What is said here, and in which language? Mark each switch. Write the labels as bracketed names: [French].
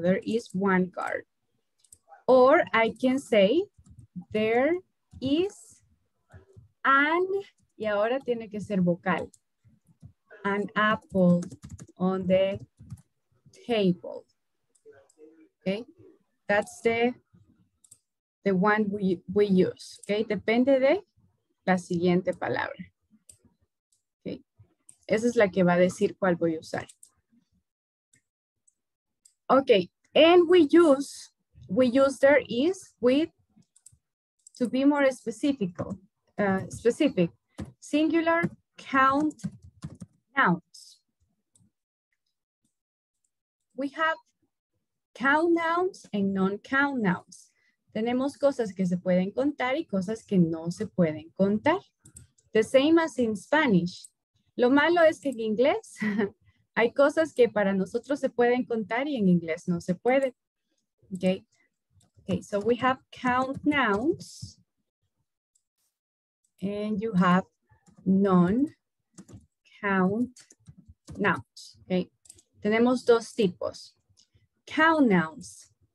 [English] There is one car. Or I can say, there is an, [Spanish] y ahora tiene que ser vocal, [English] an apple on the table. Okay, that's the one we use. [Spanish] Okay, depende de la siguiente palabra. Okay, esa es la que va a decir cuál voy a usar. [English] Okay, and we use there is with, to be more specific, singular count nouns. We have count nouns and non-count nouns. [Spanish] Tenemos cosas que se pueden contar y cosas que no se pueden contar. [English] The same as in Spanish. [Spanish] Lo malo es que en inglés hay cosas que para nosotros se pueden contar y en inglés no se puede. [English] Okay. Okay, so we have count nouns and you have non-count nouns. [Spanish] Okay. Tenemos dos tipos. [English] Count nouns.